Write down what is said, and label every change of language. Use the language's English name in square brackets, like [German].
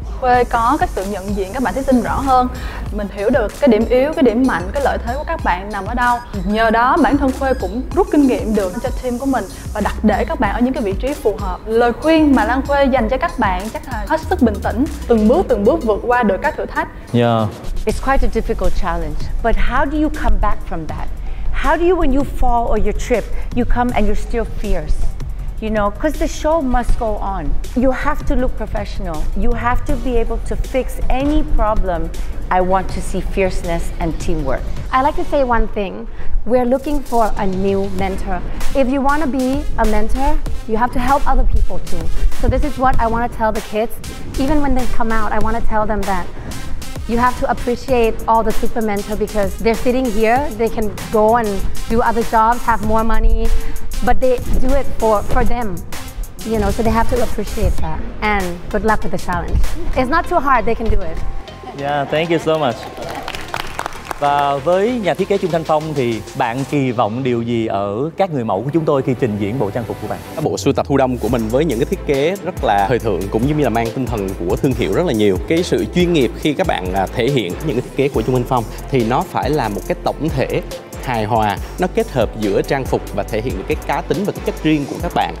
[Vietnamese] Khuê có cái sự nhận diện các bạn thí sinh rõ hơn. Mình hiểu được cái điểm yếu, cái điểm mạnh, cái lợi thế của các bạn nằm ở đâu. Nhờ đó bản thân Khuê cũng rút kinh nghiệm được cho team của mình và đặt để các bạn ở những cái vị trí phù hợp. Lời khuyên mà Lan Khuê dành cho các bạn chắc là hết sức bình tĩnh, từng bước vượt qua được các thử thách. [English] Yeah. It's quite a difficult challenge, but how do you come back from that? How do you, when you fall or you trip, you come and you're still fierce? You know, because the show must go on. You have to look professional. You have to be able to fix any problem. I want to see fierceness and teamwork. I like to say one thing. We're looking for a new mentor. If you want to be a mentor, you have to help other people too. So this is what I want to tell the kids. Even when they come out, I want to tell them that you have to appreciate all the super mentor because they're sitting here. They can go and do other jobs, have more money. But they do it for them, you know, so they have to appreciate that. And good luck with the challenge. It's not too hard, they can do it. Yeah, thank you so much. [Vietnamese] Và với nhà thiết kế Trung Thanh Phong thì bạn kỳ vọng điều gì ở các người mẫu của chúng tôi khi trình diễn bộ trang phục của bạn? Bộ sưu tập thu đông của mình với những cái thiết kế rất là thời thượng cũng như là mang tinh thần của thương hiệu rất là nhiều. Cái sự chuyên nghiệp khi các bạn thể hiện những cái thiết kế của Trung Thanh Phong thì nó phải là một cái tổng thể hài hòa, nó kết hợp giữa trang phục và thể hiện được cái cá tính và cái chất riêng của các bạn.